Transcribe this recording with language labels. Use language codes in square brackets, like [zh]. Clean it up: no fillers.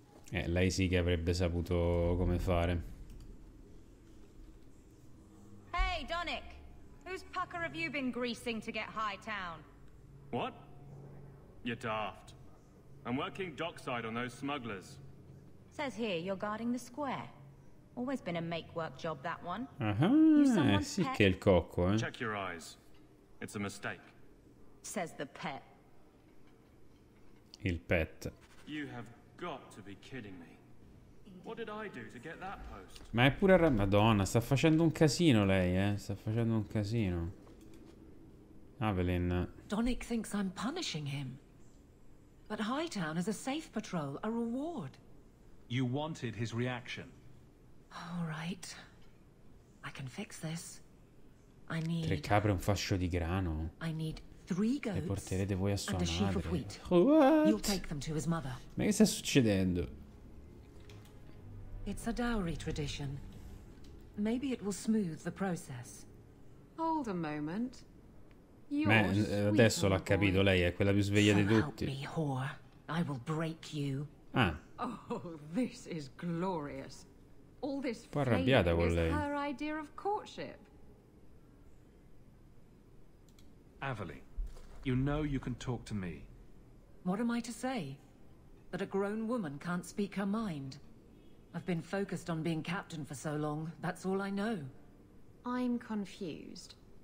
[it] Lei sì che avrebbe saputo come fare. [en] Hey, Donick. Whose pucker have you been greasing to get high town? What? You're daft. I'm working dockside on those smugglers. Says here you're guarding the square. Always been a make-work job, that one. [it] Uh-huh. Sì che il cocco, eh. [en] Check your eyes. It's a mistake. Says the pet. [it] Il pet. [en] You have got to be kidding me. What did I do to get that post? [it] Ma è pure Madonna, sta facendo un casino lei, eh. Sta facendo un casino. Avelyn. [en] Donick thinks I'm punishing him. But Hightown is a safe patrol, a reward. You wanted his reaction. All right. I can fix this. I need... [it] Tre capre e un fascio di grano. [en] I need three goats. [it] Le porterete voi a sua madre. [en] What? You'll take them to his mother. [it] Ma che sta succedendo? [en] It's a dowry tradition. Maybe it will smooth the process. Hold a moment. [it] Ma adesso l'ha capito, lei è quella più sveglia di tutti. [en] I will break you. Oh, this is glorious. All this [it] fame is arrabbiata con lei. [en] Her idea of courtship. Avelyn, you know you can talk to me. What am I to say? That a grown woman can't speak her mind. I've been focused on being captain for so long, that's all I know. I'm confused.